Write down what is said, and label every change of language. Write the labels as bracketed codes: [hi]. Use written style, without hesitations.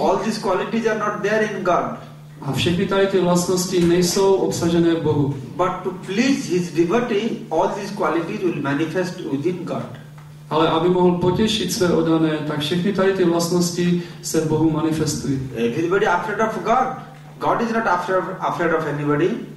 [en] All these qualities are not there in God. [cs] A všechny tady ty vlastnosti nejsou obsažené v Bohu. [en] But to please his devotee, all these qualities will manifest within God. [cs] Ale aby mohl potěšit své oddané, tak všechny tady ty vlastnosti se v Bohu manifestují. [en] Everybody afraid of God. God is not afraid of anybody.